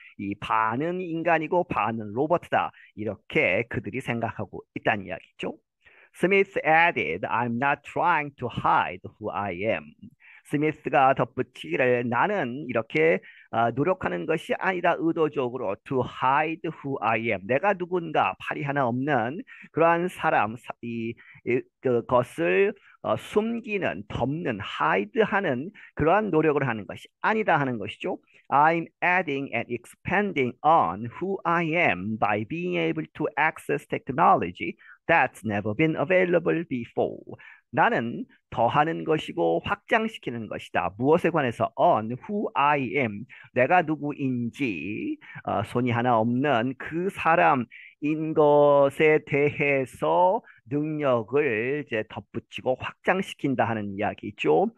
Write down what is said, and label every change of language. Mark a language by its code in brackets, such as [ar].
[ko] 이 반은 인간이고 반은 로봇이다. 이렇게 그들이 생각하고 있다는 이야기죠. [en] Smith added, I'm not trying to hide who I am. [ko] 스미스가 덧붙이기를 나는 이렇게 노력하는 것이 아니다. 의도적으로 [en] to hide who I am. [ko] 내가 누군가 팔이 하나 없는 그러한 사람 그것을 숨기는 덮는 hide 하는 그러한 노력을 하는 것이 아니다 하는 것이죠. [en] I'm adding and expanding on who I am by being able to access technology that's never been available before. [ko] 나는 더하는 것이고 확장시키는 것이다. 무엇에 관해서? [en] On who I am. [ko] 내가 누구인지 손이 하나 없는 그 사람인 것에 대해서 능력을 이제 덧붙이고 확장시킨다 하는 이야기죠.